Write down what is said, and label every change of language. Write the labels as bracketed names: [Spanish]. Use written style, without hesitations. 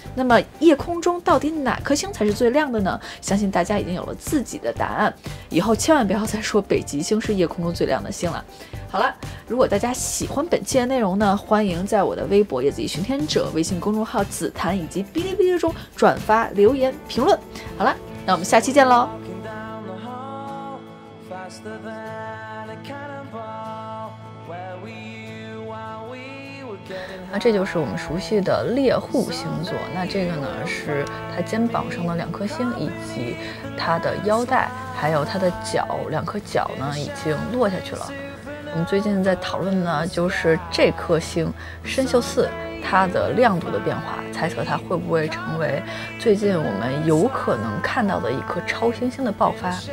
[Chinese] 那么夜空中到底哪颗星才是最亮的呢？相信大家已经有了自己的答案，以后千万不要再说北极星是夜空中最亮的星了。好了，如果大家喜欢本期的内容呢，欢迎在我的微博夜梓颐巡天者、微信公众号紫檀以及哔哩哔哩中转发留言评论。好了，那我们下期见喽。 [English] Faster than a cannonball, where were you while we were getting? [Chinese] 那这就是我们熟悉的猎户星座。那这个呢，是他肩膀上的两颗星，以及他的腰带，还有他的脚，两颗脚呢已经落下去了。我们最近在讨论呢，就是这颗星深秀四，它的亮度的变化，猜测它会不会成为最近我们有可能看到的一颗超新星的爆发。